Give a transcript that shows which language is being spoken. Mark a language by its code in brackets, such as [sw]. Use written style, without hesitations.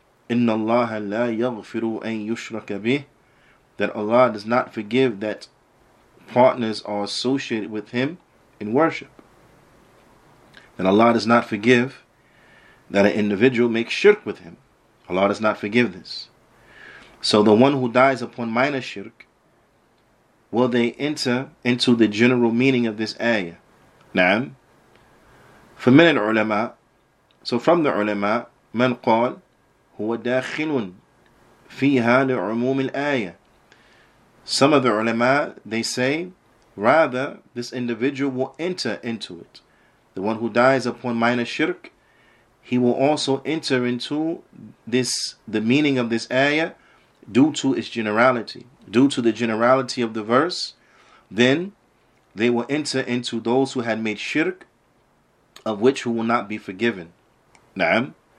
[ar] إن الله لا يغفر أن يشرك به. [en] That Allah does not forgive that partners are associated with Him in worship. That Allah does not forgive that an individual makes shirk with him. Allah does not forgive this. So the one who dies upon minor shirk, will they enter into the general meaning of this ayah? [ar] Na'am. For من العلماء, [en] so from the ulama, [ar] من قال هو داخل فيها لعموم الآية. [en] Some of the ulama, they say, rather, this individual will enter into it. The one who dies upon minor shirk, he will also enter into this, the meaning of this ayah, due to its generality. Due to the generality of the verse, then they will enter into those who had made shirk, of which who will not be forgiven. Na'am.